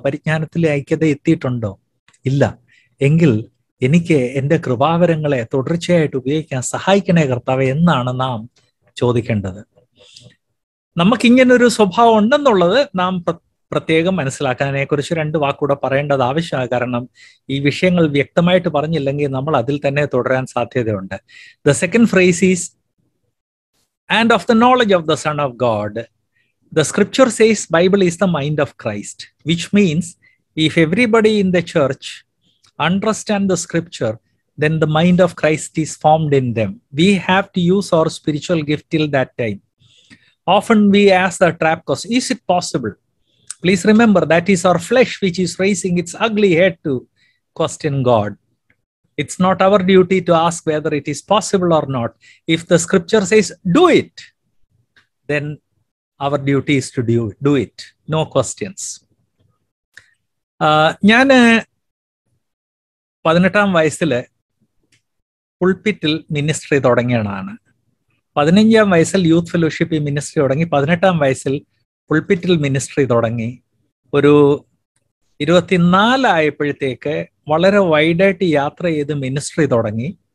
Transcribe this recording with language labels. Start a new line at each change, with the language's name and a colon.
Malayalam: പരിജ്ഞാനത്തിലെ ഐക്യത എത്തിയിട്ടുണ്ടോ? ഇല്ല എങ്കിൽ എനിക്ക് എൻ്റെ കൃപാവരങ്ങളെ തുടർച്ചയായിട്ട് ഉപയോഗിക്കാൻ സഹായിക്കണേ കർത്താവ് എന്നാണ് നാം ചോദിക്കേണ്ടത്. നമുക്കിങ്ങനൊരു സ്വഭാവം ഉണ്ടെന്നുള്ളത് നാം പ്രത്യേകം മനസ്സിലാക്കാനെക്കുറിച്ച് രണ്ട് വാക്കുകൂടെ പറയേണ്ടത് ആവശ്യമാണ്. കാരണം ഈ വിഷയങ്ങൾ വ്യക്തമായിട്ട് പറഞ്ഞില്ലെങ്കിൽ നമ്മൾ അതിൽ തന്നെ തുടരാൻ സാധ്യതയുണ്ട്.
English: The second phrase is and of the knowledge of the Son of God. The scripture says Bible is the mind of Christ, which means if everybody in the church understand the scripture, then the mind of Christ is formed in them. We have to use our spiritual gift till that time. Often we ask the trap question, is it possible? Please remember that is our flesh which is raising its ugly head to question God. It's not our duty to ask whether it is possible or not. If the scripture says do it, then our duty is to do it. No questions.
Malayalam: ഞാൻ 18 വയസ്സിൽ പുൾപിറ്റിൽ ministry തുടങ്ങിയതാണ്. 15 വയസ്സിൽ youth ഫെലോഷിപ്പിൽ ministry തുടങ്ങി, 18 വയസ്സിൽ പുൾപിറ്റിൽ ministry തുടങ്ങി. ഒരു 24 ആയപ്പോഴത്തേക്ക് വളരെ വൈഡായിട്ട് യാത്ര ചെയ്ത് മിനിസ്ട്രി തുടങ്ങി.